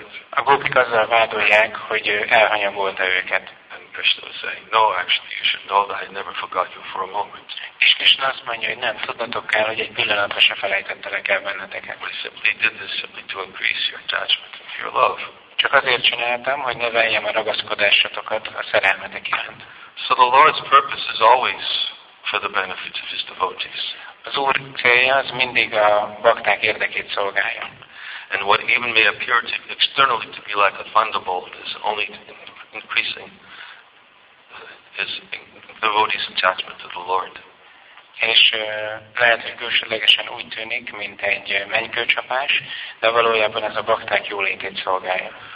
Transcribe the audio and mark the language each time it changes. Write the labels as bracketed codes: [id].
[hu] A gópik azzal vádolják, hogy elhanyagolta őket. [en] And Krishna was saying, no, actually, you should know that I never forgot you for a moment. [hu] És Krishna azt mondja, hogy nem, tudnatok kell, hogy egy pillanatra se felejtettelek el benneteket. [en] But he simply did this simply to increase your attachment and your love. [hu] Csak azért csináltam, hogy növeljem a ragaszkodásatokat a szerelmetek iránt. [en] So the Lord's purpose is always for the benefit of his devotees. [hu] Az Úr célja az mindig a bakták érdekét szolgálja. [en] And what even may appear to externally to be like a thunderbolt is only increasing his devotee's attachment to the Lord. [hu] És lehet, hogy külsődlegesen úgy tűnik, mint egy mennykőcsapás, de valójában ez a bakták jólétét szolgálja.